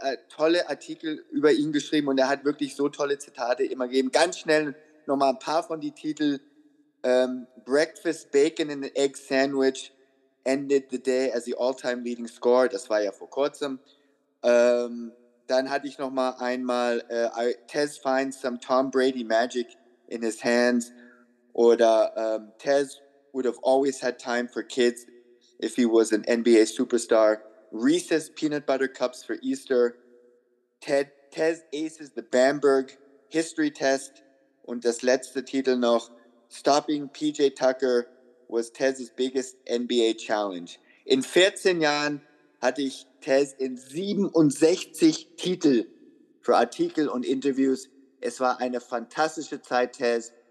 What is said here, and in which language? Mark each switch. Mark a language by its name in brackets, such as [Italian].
[German] Tolle Artikel über ihn geschrieben und er hat wirklich so tolle Zitate immer gegeben. Ganz schnell nochmal ein paar von den Titeln. [English] Breakfast, Bacon and Egg Sandwich ended the day as the all-time leading scorer. [German] Das war ja vor kurzem. Dann hatte ich nochmal einmal [English] Tez finds some Tom Brady magic in his hands. [German] Oder [English] Tez would have always had time for kids if he was an NBA superstar. Reese's Peanut Butter Cups for Easter. Tez aces the Bamberg History Test. [German] Und das letzte Titel noch. [English] Stopping PJ Tucker was Tez's biggest NBA challenge. [German] In 14 Jahren hatte ich Tez in 67 Titel für Artikel und Interviews. Es war eine fantastische Zeit, Tez.